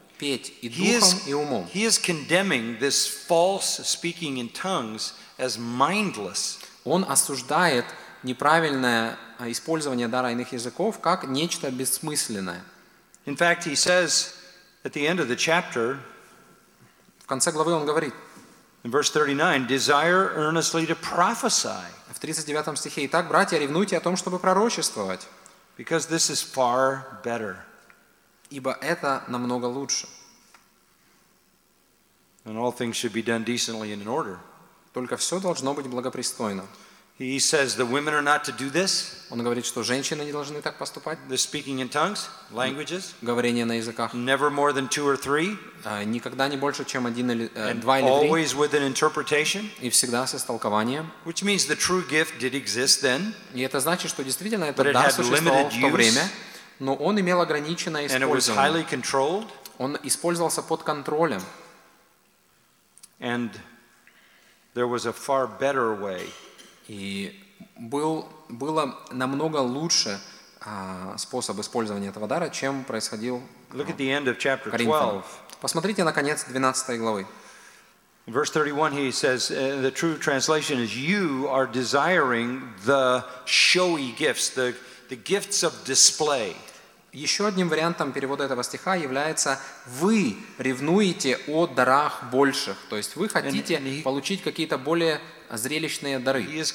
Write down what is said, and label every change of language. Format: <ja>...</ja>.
<en>He is condemning this false speaking in tongues as mindless.</en> <ru>Он осуждает неправильное использование дара иных языков как нечто бессмысленное.</ru> <en>In fact, he says at the end of the chapter,</en> <ru>в конце главы он говорит,</ru> <en>in verse 39, desire earnestly to prophesy.</en> <ru>В 39 стихе, итак, братья, ревнуйте о том, чтобы пророчествовать.</ru> <en>Because this is far better.</en> <ru>Ибо это намного лучше.</ru> <en>And all things should be done decently and in order.</en> <ru>Только все должно быть благопристойно.</ru> <en>He says the women are not to do this.</en> <ru>Он говорит, что женщины не должны так поступать.</ru> <en>The speaking in tongues, languages.</en> <ru>Говорение на языках.</ru> <en>Never more than two or three.</en> <ru>Никогда не больше, чем один или два или три.</ru> <en>Always with an interpretation.</en> <ru>И всегда с истолкованием.</ru> <en>Which means the true gift did exist then.</en> <ru>И это значит, что действительно этот дар существовал в то время, но он имел ограниченное использование.</ru> <en>And it was highly controlled.</en> <ru>Он использовался под контролем.</ru> <en>And there was a far better way.</en> <ru>И было намного лучше способ использования этого дара, чем происходил.</ru> <en>Look at the end of chapter 12.</en> <ru>Посмотрите на конец 12 главы.</ru> <en>Verse 31, he says, the true translation is, "You are desiring the showy gifts, the gifts of display."</en> <ru>Еще одним вариантом перевода этого стиха является «Вы ревнуете о дарах больших». То есть вы хотите получить какие-то более зрелищные дары.</ru>